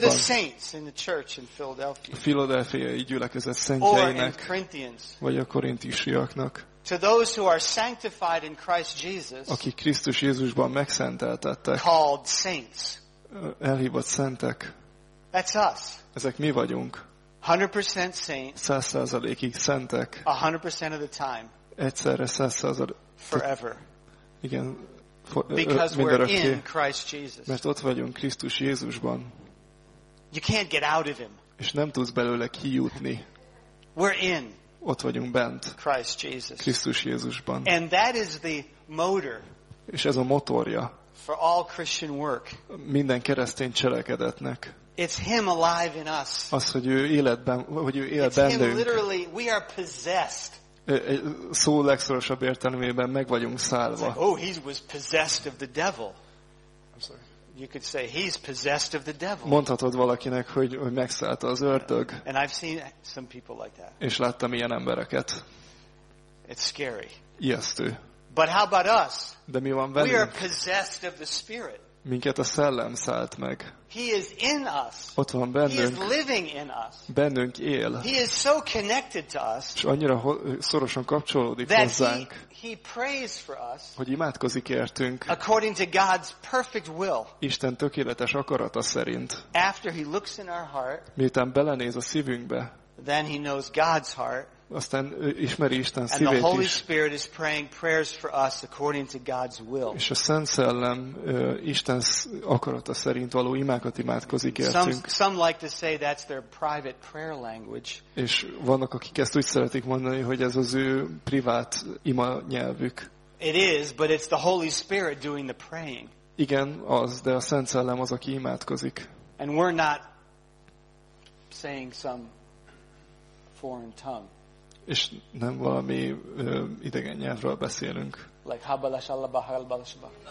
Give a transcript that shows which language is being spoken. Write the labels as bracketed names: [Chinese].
[English] To the saints in the church in Philadelphia. [Hungarian] A Philadelphiai gyülekezet szentjeinek. [English] Or in Corinthians. [Hungarian] Vagy a korintusiaknak. [English] To those who are sanctified in Christ Jesus. [Hungarian] Aki Krisztus Jézusban megszenteltettek. [English] Called saints. [Hungarian] Elhívott szentek. [English] That's us. [Hungarian] Ezek mi vagyunk. [English] 100% saints. [Hungarian] 100%-ig szentek. [English] 100% of the time. [Hungarian] Egyszerre 100%. [English] Forever. [Hungarian] Igen. [English] Because we're in Christ Jesus. [Hungarian] Mert ott vagyunk Krisztus Jézusban. [English] You can't get out of him. [Hungarian] És nem tudsz belőle kijutni. [English] We're in. [Hungarian] Ott vagyunk bent. [English] Christ Jesus. [Hungarian] Krisztus Jézusban. [English] And that is the motor. [Hungarian] És ez a motorja. [English] for all Christian work. [Hungarian] Minden keresztény cselekedetnek. [English] It's him alive in us. [Hungarian] Az, hogy ő életben, hogy ő él bennünk. [English] It's him literally, we are possessed. [Hungarian] Szó legszorosabb értelmében meg vagyunk szállva. [English] Like, oh, he was possessed of the devil. I'm sorry. You could say he's possessed of the devil. [Hungarian] Mondhatod valakinek, hogy megszállta az ördög. [English] And I've seen some people like that. [Hungarian] És láttam ilyen embereket. [English] It's scary. [Hungarian] Ijesztő. [English] But how about us? [Hungarian] De mi van velünk? [English] We are possessed of the spirit. [Hungarian] Minket a szellem szállt meg. [English] He is in us. [Hungarian] Ott van bennünk. [English] He is living in us. [Hungarian] Bennünk él. [English] He is so connected to us. [Hungarian] És annyira szorosan kapcsolódik [English] that [Hungarian] hozzánk. [English] He prays for us. [Hungarian] Hogy imádkozik értünk. [English] According to God's perfect will. [Hungarian] Isten tökéletes akarata szerint. [English] After he looks in our heart. [Hungarian] Miután belenéz a szívünkbe. [English] Then he knows God's heart. [Hungarian] Aztán ismeri Isten szívét is. [English] Is praying prayers for us according to God's will. [Hungarian] És a Szent Szellem Isten akarata szerint való imákat imádkozik értünk. [English] Some like to say that's their private prayer language. [Hungarian] És vannak, akik ezt úgy szeretik mondani, hogy ez az ő privát ima nyelvük. [English] It is, but it's the Holy Spirit doing the praying. [Hungarian] Igen, az, de a Szent Szellem az, aki imádkozik. [English] And we're not saying some foreign tongue. [Hungarian] És nem valami idegen nyelvről beszélünk. Like habalash allah habalash ba.